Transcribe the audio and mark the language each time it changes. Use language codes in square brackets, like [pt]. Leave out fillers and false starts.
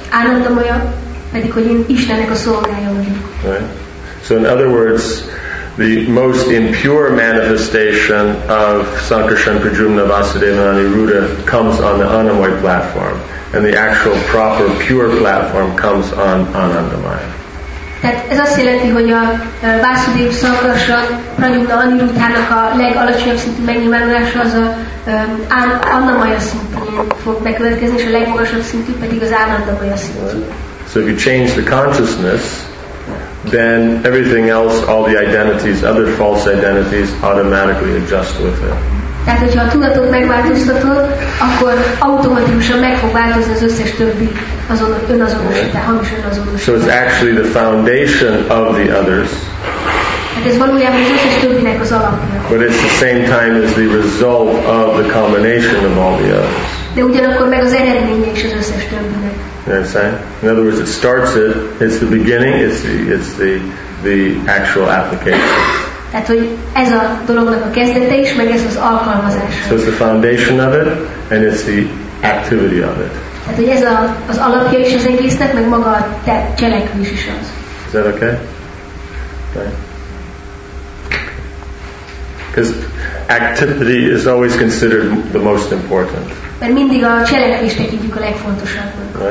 [en] Right. So in other words, the most impure manifestation of Sankarshan Prajumna Vasudeva Aniruddha comes on the Anamoya platform, and the actual proper pure platform comes on Anandamaya. [hu] Tehát ez azt jelenti, hogy a Vasudev Sankarshan Prajumna Aniruddhának a legalacsonyabb szintű megnyilvánulása az a Anamaya szintén fog bekövetkezni, és a legmagasabb szintű pedig az Anandamaya szintű. [en] So if you change the consciousness, then everything else, all the identities, other false identities, automatically adjust with it. [hu] Tehát, hogyha a tudatot megváltoztatod, akkor automatikusan meg fog változni az összes többi önazonosítás, hamis önazonosítás. [en] So it's actually the foundation of the others. [hu] Hát ez valójában az összes többinek az alapja. [en] But it's the same time as the result of the combination of all the others. [hu] De ugyanakkor meg az eredménye is az összes többinek. [en] In other words, it starts it. It's the beginning. It's the actual application. [hu] Tehát, hogy ez a dolognak a kezdete is, meg ez az alkalmazása. [en] So it's the foundation of it, and it's the activity of it. [hu] Tehát, hogy ez az alapja is az egésznek, meg maga a cselekvés is az. [en] Is that okay? Because activity is always considered the most important. [hu] Mert mindig a cselekvést tekintjük a legfontosabbnak.